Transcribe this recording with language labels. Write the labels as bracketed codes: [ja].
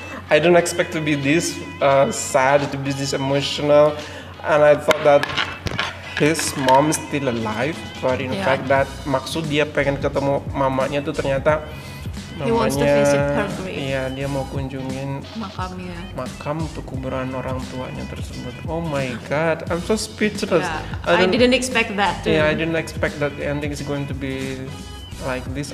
[en] I don't expect to be this sad, to be this emotional, and I thought that his mom is still alive, but in fact that [id] maksud dia pengen ketemu mamanya tuh ternyata [en] mamanya, he wants to visit her grave. [id] Iya, dia mau kunjungin makamnya. Makam untuk kuburan orang tuanya tersebut. [en] Oh my god, I'm so speechless. Yeah, I didn't expect that too. Yeah, I didn't expect that the ending is going to be like this.